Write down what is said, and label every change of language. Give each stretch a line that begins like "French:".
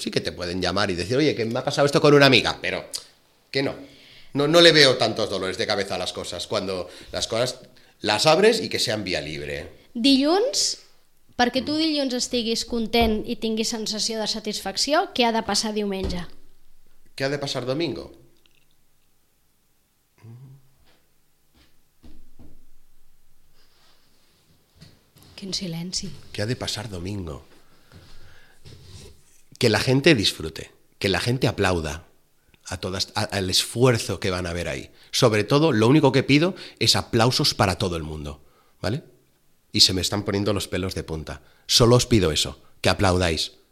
Spanish: Sí que te pueden llamar y decir, oye, que me ha pasado esto con una amiga, pero que no. No le veo tantos dolores de cabeza a las cosas, cuando las cosas las abres y que sean vía libre.
Catalan: Dilluns... Perquè tu dilluns estiguis content i tinguis sensació de satisfacció, què ha de passar diumenge? Què ha de passar domingo? Quin silenci. Què ha de passar domingo?
Spanish: Que la gente disfrute, que la gente aplauda al esfuerzo que van a ver ahí. Sobre todo, lo único que pido es aplausos para todo el mundo, ¿vale? Y se me están poniendo los pelos de punta. Solo os pido eso, que aplaudáis.